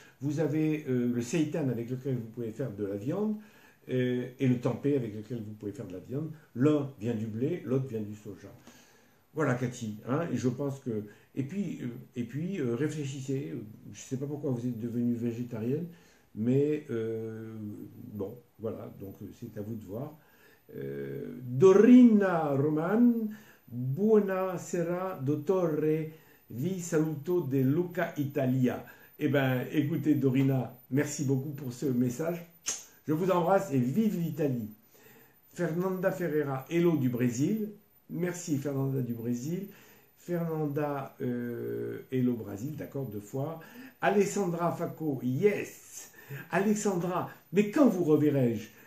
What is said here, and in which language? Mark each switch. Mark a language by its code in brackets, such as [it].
[fr] Vous avez le seitan avec lequel vous pouvez faire de la viande et le tempeh avec lequel vous pouvez faire de la viande. L'un vient du blé, l'autre vient du soja. Voilà, Cathy. Hein, et je pense que. Et puis, réfléchissez. Je ne sais pas pourquoi vous êtes devenue végétarienne, mais bon, voilà. Donc, c'est à vous de voir. [it] Dorina Roman, buona sera, dottore, vi saluto de Luca Italia. [fr] Eh bien, écoutez, Dorina, merci beaucoup pour ce message. Je vous embrasse et vive l'Italie. Fernanda Ferreira, hello du Brésil. Merci, Fernanda du Brésil. Fernanda, hello Brésil, d'accord, deux fois. Alessandra Facco, yes. Alessandra, mais quand vous reverrai-je?